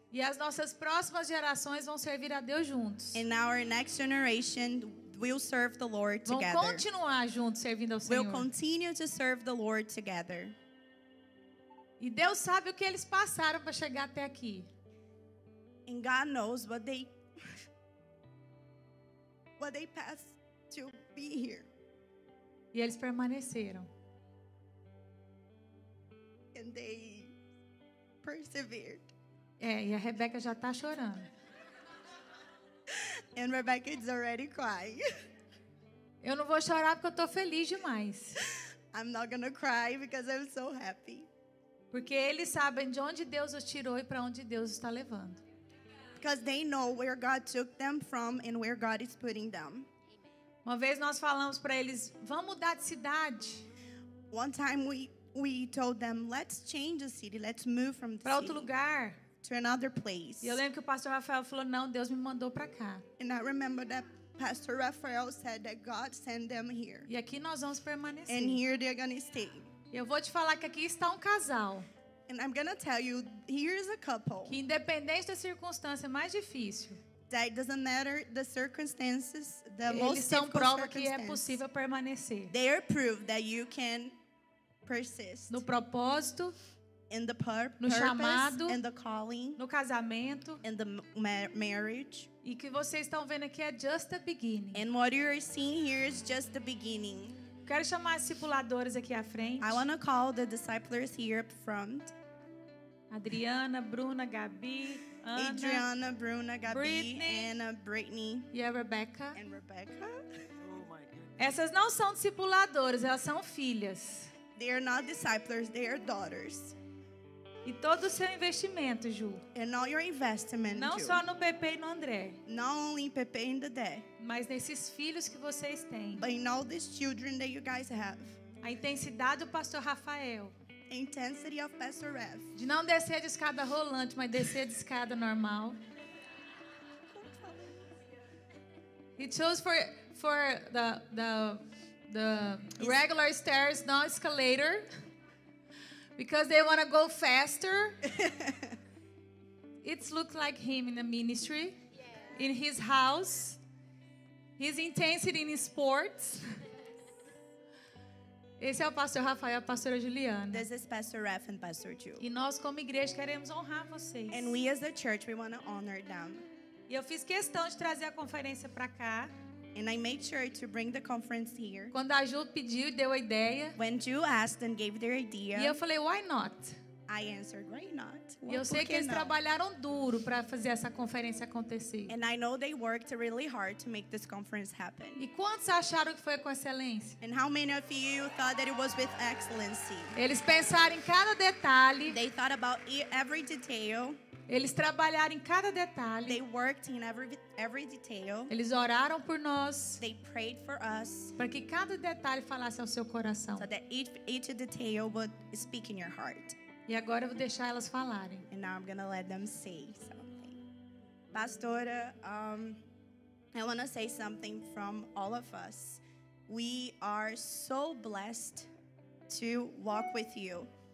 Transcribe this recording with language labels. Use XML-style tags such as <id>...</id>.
<pt>E as nossas próximas gerações vão servir a Deus juntos.</pt> <en>And our next generation will serve the Lord together.</en> <pt>Vão continuar juntos servindo ao Senhor.</pt> <en>We'll continue to serve the Lord together.</en> <pt>E Deus sabe o que eles passaram para chegar até aqui.</pt> <en>And God knows what they passed to be here.</en> <pt>E eles permaneceram.</pt> <en>And they persevered.</en> <pt>É, e a Rebeca já tá chorando.</pt> <en>And Rebecca is already crying.</en> <pt>Eu não vou chorar porque eu tô feliz demais.</pt> <en>I'm not gonna cry because I'm so happy.</en> <pt>Porque eles sabem de onde Deus os tirou e para onde Deus os está levando.</pt> <en>Because they know where God took them from and where God is putting them.</en> <pt>Uma vez nós falamos para eles, vamos mudar de cidade.</pt> <en>One time we told them, let's change the city, let's move from the city.</en> <pt>Para outro lugar.</pt> <en>To another place.</en> <pt>E eu lembro que o pastor Rafael falou, não, Deus me mandou para cá.</pt> <en>And I remember that Pastor Rafael said that God sent them here.</en> <pt>E aqui nós vamos permanecer.</pt> <en>And here they're gonna stay.</en> <pt>E eu vou te falar que aqui está um casal.</pt> <en>And I'm gonna tell you, here is a couple.</en> <pt>Que independente da circunstância mais difícil.</pt> <en>That it doesn't matter the circumstances, the</en> <pt>eles</pt> <en>most</en> <pt>são prova que é possível permanecer.</pt> <en>They are proof that you can persist.</en> <pt>No propósito,</pt> <en>in the purpose,</en> <pt>no chamado,</pt> <en>in the calling,</en> <pt>no casamento,</pt> <en>in the marriage.</en> <pt>E que vocês estão vendo aqui é</pt> <en>just the beginning. And what you are seeing here is just the beginning.</en> <pt>Quero chamar as discipuladoras aqui à frente.</pt> <en>I want to call the disciples here up front.</en> <pt>Adriana, Bruna, Gabi. Anna,</pt> <en>Adriana, Bruna, Gabi, Brittany, Anna, Brittany.</en> <pt>E a Rebecca.</pt> <en>And Rebecca. Oh my goodness.</en> <pt>Essas não são discipuladoras, elas são filhas.</pt> <en>They are not disciples, they are daughters.</en> <pt>E todo o seu investimento, Ju.</pt> <en>And all your investment,</en> <pt>não</pt> <en>Ju.</en> <pt>Só no Pepe e no André.</pt> <en>Not only in Pepe and Dedé.</en> <pt>Mas nesses filhos que vocês têm.</pt> <en>But in all these children that you guys have.</en> <pt>A intensidade do Pastor Rafael.</pt> <en>Intensity of Pastor Rev.</en> <pt>De não descer de escada rolante, mas descer de escada normal.</pt> <en>He chose for the regular stairs, not escalator, because they want to go faster. It looks like him in the ministry, yeah. In his house, his intensity in sports.</en> <pt>Esse é o pastor Rafael, a pastora Juliana.</pt> <en>This is Pastor Raph and Pastor Ju.</en> <pt>E nós como igreja queremos honrar vocês.</pt> <en>And we as a church, we want to honor them.</en> <pt>E eu fiz questão de trazer a conferência para cá.</pt> <en>And I made sure to bring the conference here.</en> <pt>Quando a Ju pediu e deu a ideia.</pt> <en>When Ju asked and gave their idea.</en> <pt>E eu falei,</pt> <en>why not? I answered, why not?</en> <pt>E eu sei que eles trabalharam duro para fazer essa conferência acontecer.</pt> <en>And I know they worked really hard to make this conference happen.</en> <pt>E quantos acharam que foi com excelência?</pt> <en>And how many of you thought that it was with excellency?</en> <pt>Eles pensaram em cada detalhe.</pt> <en>They thought about every detail.</en> <pt>Eles trabalharam em cada detalhe.</pt> <en>They worked in every detail.</en> <pt>Eles oraram por nós.</pt> <en>They prayed for us.</en> <pt>Para que cada detalhe falasse ao seu coração.</pt> <en>So that each detail would speak in your heart.</en> <pt>E agora eu vou deixar elas falarem.</pt> <en>And now I'm going to let them say something. Pastora, I want to say something from all of us. We are so blessed to walk with you.</en>